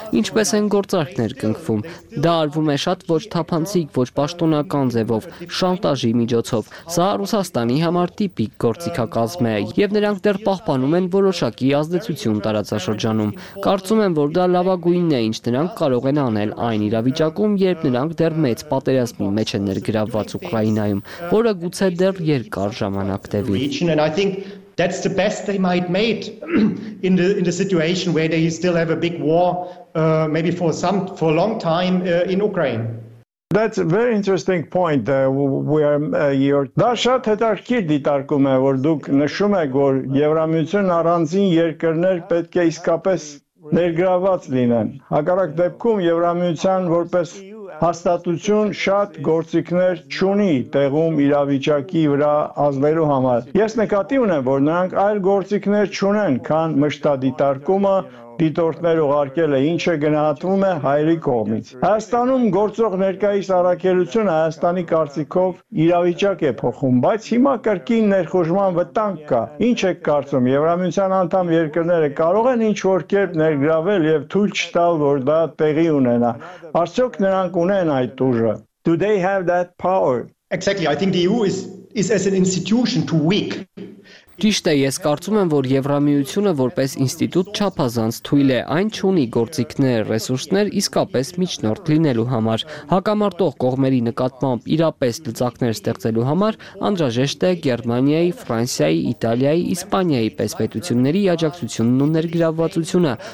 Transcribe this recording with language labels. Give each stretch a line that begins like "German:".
Armenian: ինչպես են գործարքներ կնքվում։ Դա արվում է շատ ոչ թափանցիկ, ոչ պաշտոնական ձևով, շանտաժի միջոցով։ Սա Ռուսաստանի համար տիպիկ գործիքակազմ է, եւ նրանք դեռ պահպանում են որոշակի ազդեցություն տարածաշրջանում։ Կարծում եմ, որ դա լավագույնն է, ինչ նրանք կարող են անել այն իրավիճակում, երբ նրանք դեռ մեծ պատերազմի մեջ են ներգրավված Ուկրաինայում, որը գուցե դեռ երկար ժամանակ տևի։
English: That's the best they might make in the situation where they still have a big war maybe for a long time in Ukraine. That's a very interesting point
Armenian: դա շատ հետաքրքիր դիտարկում է, որ դուք նշում եք, որ եվրամիությունն առանձին երկրներ պետք է իսկապես ներգրաված լինեն։ Հակառակ դեպքում եվրամիության որպես հաստատություն շատ գործիքներ չունի տեղում իրավիճակի վրա ազդելու համար։ Ես նկատի ունեմ, որ նրանք այլ գործիքներ չունեն, քան մշտադիտարկումը, դիտորդներ ուղարկել է, ինչ է գնահատվում է հայերի կողմից։ Հայաստանում գործող ներկայիս առաքելությունը Հայաստանի կարծիքով իրավիճակ է փոխում, բայց հիմա կրկին ներխուժման վտանգ կա։ Ինչ եք կարծում, Եվրամիության անդամ երկրները կարող են ինչ-որ կերպ ներգրավել եւ թույլ չտալ, որ դա տեղի ունենա։ Արդյոք նրանք ունեն այդ ուժը։
English: Do they have that power? Exactly, I think the EU is as an institution too weak.
Armenian: Ճիշտ է, ես կարծում եմ, որ Եվրամիությունը որպես ինստիտուտ չափազանց թույլ է, այն չունի գործիքներ, ռեսուրսներ իսկապես միջնորդ լինելու համար։ Հակամարտող կողմերի նկատմամբ իրապես լծակներ ստեղծելու համար անհրաժեշտ է Գերմանիայի, Ֆրանսիայի, Իտալիայի, Իսպանիայի պես պետությունների աջակցությունն ու ներգրավվածությունը,